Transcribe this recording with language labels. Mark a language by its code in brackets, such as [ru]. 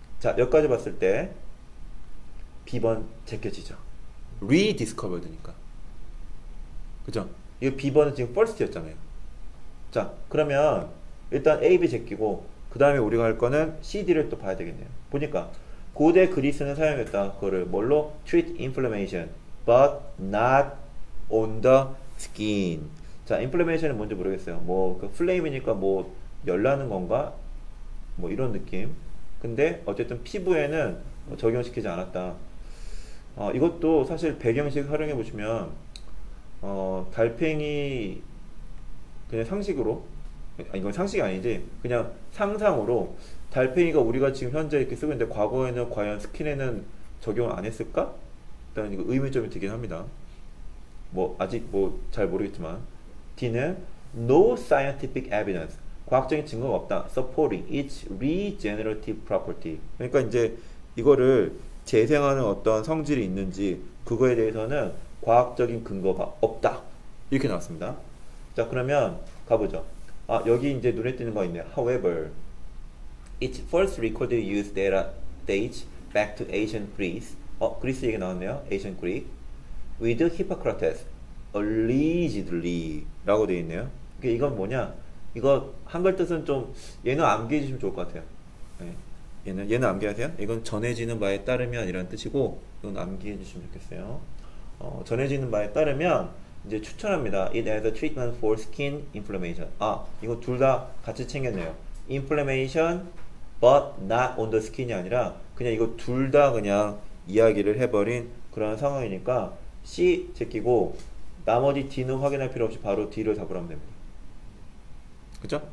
[ko] 자, 여기까지 봤을 때. B번 제껴지죠. rediscovered니까. 그죠? 이 B번은 지금 first였잖아요. 자, 그러면 일단 A, B 제끼고, 그 다음에 우리가 할 거는 CD를 또 봐야 되겠네요. 보니까, 고대 그리스는 사용했다. 그거를 뭘로? [en] Treat inflammation, but not on the skin. [ko] 자, inflammation은 뭔지 모르겠어요. 뭐, 그 flame이니까 뭐, 열나는 건가? 뭐, 이런 느낌. 근데, 어쨌든 피부에는 적용시키지 않았다. 이것도 사실 배경식 활용해 보시면, 달팽이, 그냥 상식으로, 아니, 이건 상식이 아니지. 그냥 상상으로, 달팽이가 우리가 지금 현재 이렇게 쓰고 있는데, 과거에는 과연 스킨에는 적용 안 했을까? 일단 이거 의문점이 되긴 합니다. 뭐, 아직 뭐, 잘 모르겠지만. D는 [en] no scientific evidence. [ko] 과학적인 증거가 없다. [en] supporting its regenerative property. [ko] 그러니까 이제 이거를 재생하는 어떤 성질이 있는지, 그거에 대해서는 과학적인 근거가 없다. 이렇게 나왔습니다. 자, 그러면 가보죠. 아, 여기 이제 눈에 띄는 거 있네요. [en] However, its first recorded use data dates back to ancient Greece. [ko] 그리스 얘기 나왔네요. [en] Ancient Greek. With Hippocrates, allegedly. [ko] 라고 되어 있네요. 이건 뭐냐? 이거 한글 뜻은 좀, 얘는 암기해 주시면 좋을 것 같아요. 네. 얘는 암기하세요. 이건 전해지는 바에 따르면 이란 뜻이고, 이건 암기해 주시면 좋겠어요. 전해지는 바에 따르면 이제 추천합니다. [en] It has a treatment for skin inflammation. [ko] 아, 이거 둘다 같이 챙겼네요. [en] Inflammation, but not on the skin [ko] 이 아니라 그냥 이거 둘다 그냥 이야기를 해버린 그런 상황이니까 C 제끼고 나머지 D는 확인할 필요 없이 바로 D를 잡으라면 됩니다. 그죠?